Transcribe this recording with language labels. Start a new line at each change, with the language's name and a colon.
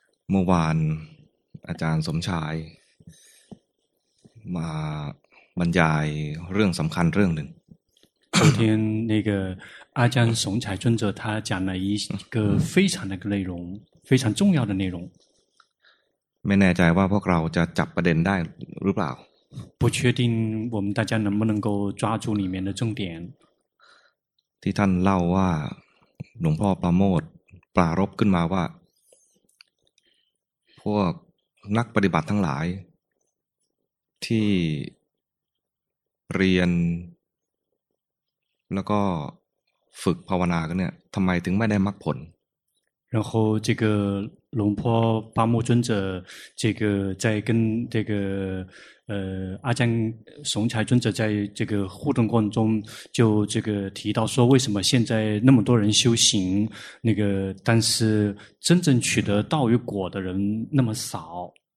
Thai: เมื่อวานอาจารย์สมชายมาบรรยายเรื่องสำคัญเรื่องหนึ่ง
Chinese: 昨天那个阿江雄才尊者他讲了一个非常的内容非常重要的内容
Thai: ไม่แน่ใจว่าพวกเราจะจับประเด็นได้หรือเปล่า
Chinese: 不确定我们大家能不能够抓住里面的重点
Thai: ที่ท่านเล่าว่าหลวงพ่อประโมทปรารภขึ้นมาว่าพวกนักปฏิบัติทั้งหลายที่เรียนแล้วก็ฝึกภาวนากันเนี่ยทำไมถึงไม่ได้มรรคผล
Chinese: 然后这个龙婆巴木尊者这个在跟这个阿江雄才尊者在这个互动过程中就这个提到说为什么现在那么多人修行那个但是真正取得道与果的人那么少